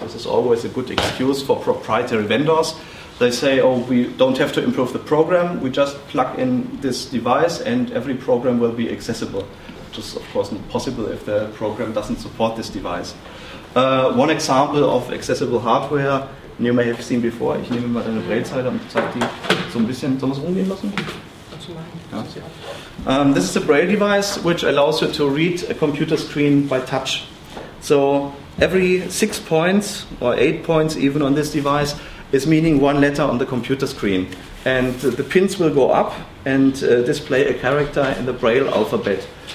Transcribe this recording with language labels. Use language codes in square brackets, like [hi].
[en] This is always a good excuse for proprietary vendors. They say, oh, we don't have to improve the program. We just plug in this device and every program will be accessible. Which is, of course, not possible if the program doesn't support this device. One example of accessible hardware you may have seen before. [de] Ich nehme mal deine Brezel und zeig die so ein bisschen. Sollen wir es umgehen lassen? [en] This is a Braille device which allows you to read a computer screen by touch. So every 6 points or 8 points even on this device is meaning one letter on the computer screen. And the pins will go up and display a character in the Braille alphabet.